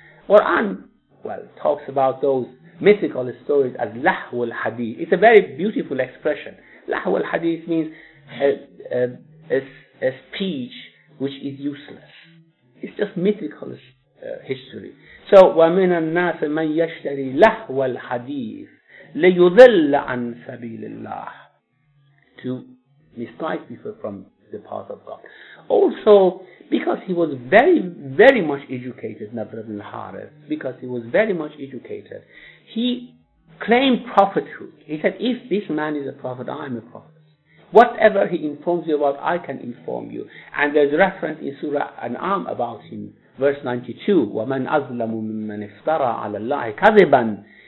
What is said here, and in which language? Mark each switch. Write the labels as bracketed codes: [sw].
[en] Quran, well, talks about those mythical stories as [ar] لَحْوَ الْحَدِيثِ. [en] It's a very beautiful expression. [ar] لَحْوَ الْحَدِيثِ [en] means a speech which is useless. It's just mythical history. [ar] So, وَمِنَ النَّاسِ مَنْ يَشْتَرِي لَحْوَ الْحَدِيثِ لِيُذِلَّ عَنْ سَبِيلِ اللَّهِ, [en] to misguide people from the path of God. Also, because he was very, very much educated, Nadr ibn al-Harith, because he was very much educated, he claimed prophethood. He said, if this man is a prophet, I am a prophet. Whatever he informs you about, I can inform you. And there's a reference in Surah An'am about him, verse 92, [ar] وَمَنْ أَظْلَمُ مِمَّنْ افْتَرَى عَلَى اللَّهِ كَذِبًا.